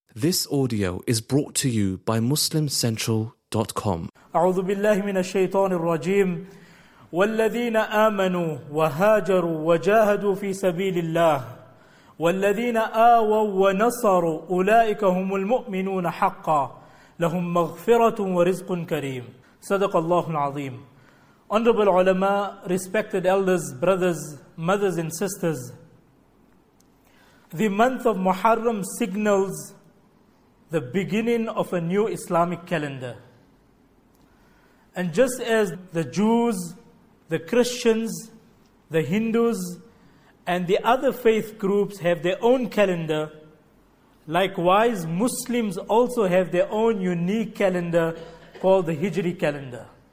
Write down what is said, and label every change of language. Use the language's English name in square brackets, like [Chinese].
[English] This audio is brought to you by MuslimCentral.com. [Arabic] أعوذ بالله من الشيطان الرجيم. والذين آمنوا وهاجروا وجاهدوا في سبيل الله والذين آووا ونصروا أولئك هم المؤمنون حقا لهم مغفرة ورزق كريم. صدق الله العظيم. [English] Honorable ulama, respected elders, brothers, mothers and sisters, the month of Muharram signals the beginning of a new Islamic calendar. And just as the Jews, the Christians, the Hindus, and the other faith groups have their own calendar, likewise Muslims also have their own unique calendar called the Hijri calendar.